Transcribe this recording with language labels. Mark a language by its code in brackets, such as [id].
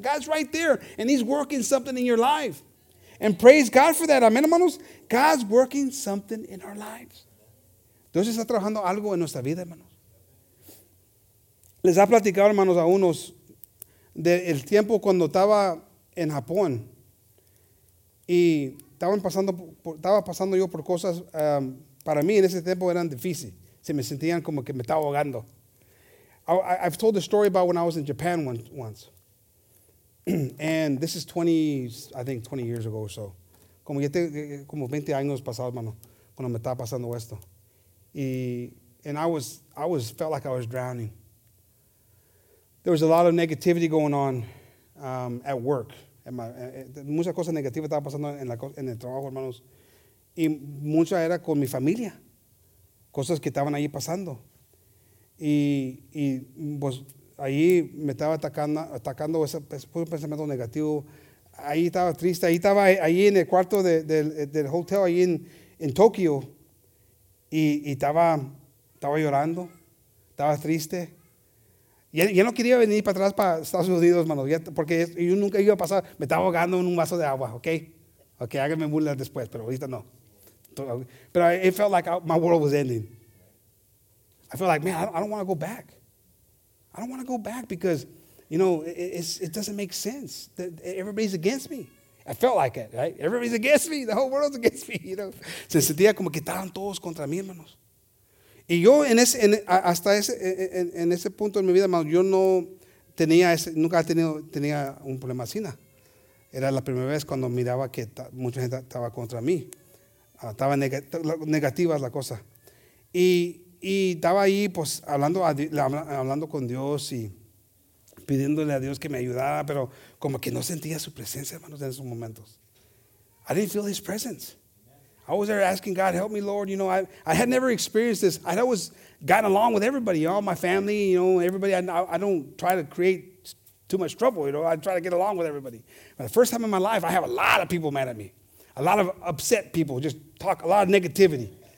[en] God's right there, and he's working something in your life. And praise God for that. [es] Amén, hermanos. [en] God's working something in our lives. [es] Dios está trabajando algo en nuestra vida, hermanos. Les ha platicado, hermanos, a unos del tiempo cuando estaba en Japón y estaba pasando yo por cosas para mí en ese tiempo eran difíciles. Se me sentían como que me estaba ahogando. [en] I've told the story about when I was in Japan once. And this is 20 years ago or so. [es] Como 20 años pasados, hermano, cuando me estaba pasando esto. [en] And I felt like I was drowning. There was a lot of negativity going on at work. [es] Mucha cosa negativa estaba pasando en el trabajo, hermanos. Y mucha era con mi familia. Cosas que estaban ahí pasando. Y pues ahí me estaba atacando ese pensamiento negativo. Ahí estaba triste. Ahí estaba ahí en el cuarto del hotel ahí en Tokio. Y estaba llorando, estaba triste. Ya no quería venir para atrás para Estados Unidos, hermano, porque yo nunca iba a pasar. Me estaba ahogando en un vaso de agua, ¿ok? Ok, háganme burla después, pero ahorita no. Pero [en] it felt like my world was ending. I felt like, man, I don't want to go back. I don't want to go back because, you know, it doesn't make sense. Everybody's against me. I felt like it, right? Everybody's against me. The whole world's against me, you know. [es] Se sentía como que estaban todos contra mí, hermanos. Y yo hasta ese punto en mi vida, hermanos, yo no tenía nunca tenía un problema así. Era la primera vez cuando miraba que mucha gente estaba contra mí. Estaba negativa la cosa. Y estaba ahí, pues, hablando con Dios y pidiéndole a Dios que me ayudara, pero como que no sentía su presencia, hermanos, en esos momentos. [en] I didn't feel his presence. I was there asking God, help me, Lord. You know, I had never experienced this. I'd always gotten along with everybody, all my family, you know, everybody. I don't try to create too much trouble, you know. I try to get along with everybody. But the first time in my life, I have a lot of people mad at me, a lot of upset people, just talk a lot of negativity.